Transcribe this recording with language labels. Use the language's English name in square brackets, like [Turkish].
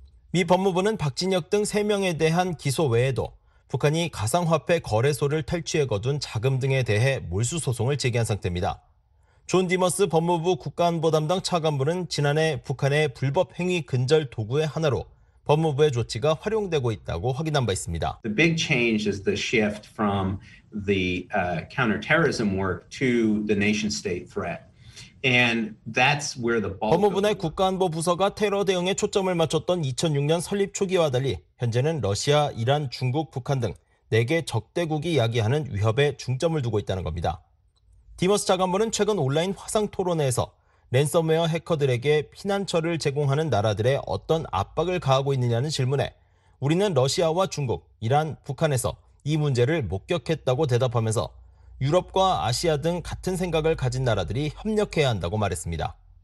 [Korean] 미 법무부는 박진혁 등 3명에 대한 기소 외에도 북한이 가상화폐 거래소를 탈취해 거둔 자금 등에 대해 몰수 소송을 제기한 상태입니다. 존 디머스 법무부 국가안보 담당 차관보는 지난해 북한의 불법 행위 근절 도구의 하나로 법무부의 조치가 활용되고 있다고 확인한 바 있습니다. [English] The big change is the shift from the counterterrorism work to the nation-state threat. And that's where the [Korean] 법무부 내 국가안보 부서가 테러 대응에 초점을 맞췄던 2006년 설립 초기와 달리 현재는 러시아, 이란, 중국, 북한 등 4개 적대국이 야기하는 위협에 중점을 두고 있다는 겁니다. 디머스 차관보는 최근 온라인 화상 토론회에서 랜섬웨어 해커들에게 피난처를 제공하는 나라들의 어떤 압박을 가하고 있느냐는 질문에 우리는 러시아와 중국, 이란, 북한에서 이 문제를 목격했다고 대답하면서 유럽과 아시아 등 같은 생각을 가진 나라들이 협력해야 한다고 말했습니다.